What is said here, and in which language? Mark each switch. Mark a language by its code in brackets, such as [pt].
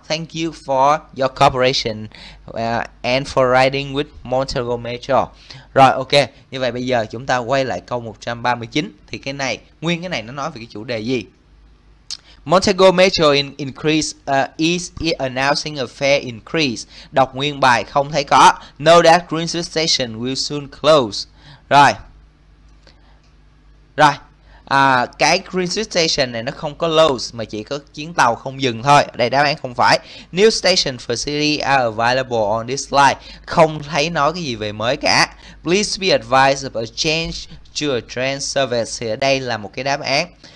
[en] Thank you for your cooperation and for riding with Montego Metro. [vi] Rồi, ok. Như vậy bây giờ chúng ta quay lại câu 139. Thì cái này, nguyên cái này nó nói về cái chủ đề gì? [en] Montego Metro is announcing a fare increase. [vi] Đọc nguyên bài không thấy có. [en] Know that Green Street Station will soon close. [vi] Rồi. Rồi. Cái Green Street Station này nó không có close mà chỉ có chuyến tàu không dừng thôi. Đây đáp án không phải. [en] New station facility are available on this line. [vi] Không thấy nói cái gì về mới cả. [en] Please be advised of a change to a train service. [vi] Thì ở đây là một cái đáp án.